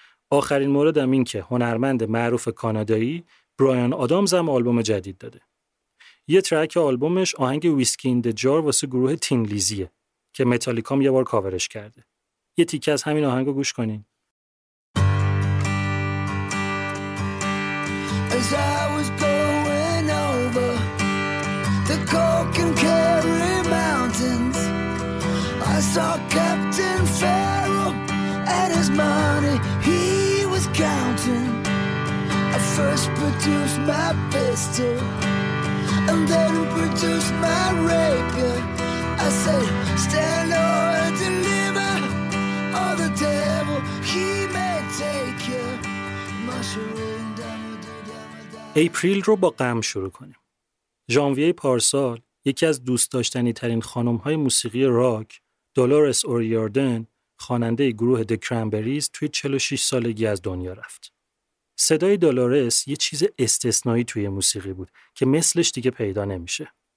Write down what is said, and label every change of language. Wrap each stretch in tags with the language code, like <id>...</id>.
<fa>آخرین موردم این که هنرمند معروف کانادایی برایان آدامز هم آلبوم جدید داده. یه ترک آلبومش آهنگ ویسکی این د جار واسه گروه تین لیزیه که متالیکام یه بار کاورش کرده. یه تیکه از همین آهنگو گوش کنین.</fa> <en>As I was going over the Coke and Kerry mountains I saw Captain Farrell and his money counting. I first produced my pistol and then produced my rapier. I said, stand or deliver, or the devil he may take you. Mushroom down.</en> <fa>اپریل رو با غم شروع کنیم. ژانویه پارسال یکی از دوست داشتنی ترین خانم های موسیقی راک، دولورس اوریاردن، خواننده گروه د کرمبریز، توی 46 سالگی از دنیا رفت. صدای دولورس یه چیز استثنایی توی موسیقی بود که مثلش دیگه پیدا نمیشه.</fa>